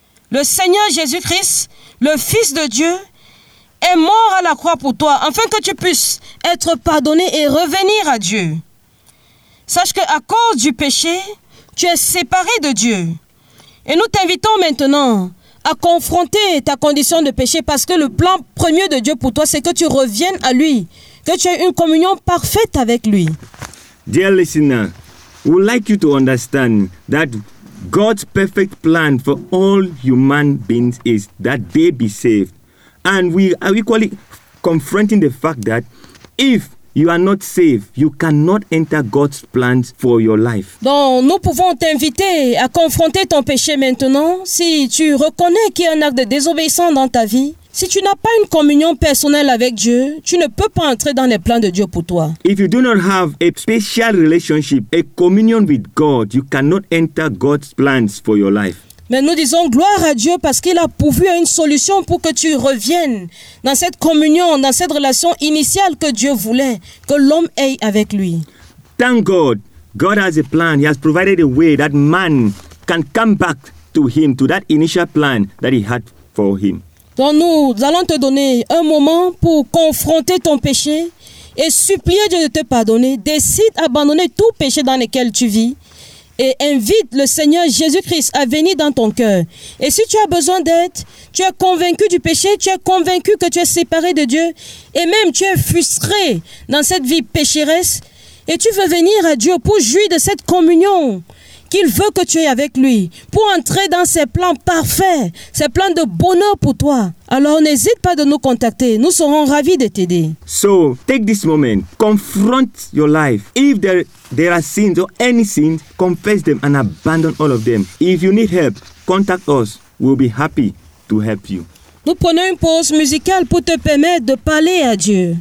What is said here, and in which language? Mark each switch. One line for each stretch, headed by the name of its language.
French: Le Seigneur Jésus-Christ, le Fils de Dieu, est mort à la croix pour toi, afin que tu puisses être pardonné et revenir à Dieu. Sache qu'à cause du péché, tu es séparé de Dieu. Et nous t'invitons maintenant à confronter ta condition de péché parce que le plan premier de Dieu pour toi, c'est que tu reviennes à lui, que tu aies une communion parfaite avec lui.
English: Dear listener, we would like you to understand that God's perfect plan for all human beings is that they be saved. And we are equally confronting the fact that if you are not safe. You cannot enter God's plans for your life.
French: Donc, nous pouvons t'inviter à confronter ton péché maintenant. Si tu reconnais qu'il y a un acte de désobéissance dans ta vie, si tu n'as pas une communion personnelle avec Dieu, tu ne peux pas entrer dans les plans de Dieu pour toi.
English: If you do not have a special relationship, a communion with God, you cannot enter God's plans for your life.
French: Mais nous disons gloire à Dieu parce qu'il a pourvu à une solution pour que tu reviennes dans cette communion, dans cette relation initiale que Dieu voulait que l'homme ait avec lui.
English: Thank God, God has a plan. He has provided a way that man can come back to him, to that initial plan that he had for him.
French: Donc nous allons te donner un moment pour confronter ton péché et supplier Dieu de te pardonner. Décide d'abandonner tout péché dans lequel tu vis. Et invite le Seigneur Jésus-Christ à venir dans ton cœur. Et si tu as besoin d'aide, tu es convaincu du péché, tu es convaincu que tu es séparé de Dieu, et même tu es frustré dans cette vie pécheresse, et tu veux venir à Dieu pour jouir de cette communion qu'il veut que tu aies avec lui, pour entrer dans ses plans parfaits, ses plans de bonheur pour toi, alors n'hésite pas de nous contacter. Nous serons ravis de t'aider.
English: So, take this moment, confront your life. If there are sins or any sins, confess them and abandon all of them. If you need help, contact us. We'll be happy to help you.
French: Nous prenons une pause musicale pour te permettre de parler à Dieu.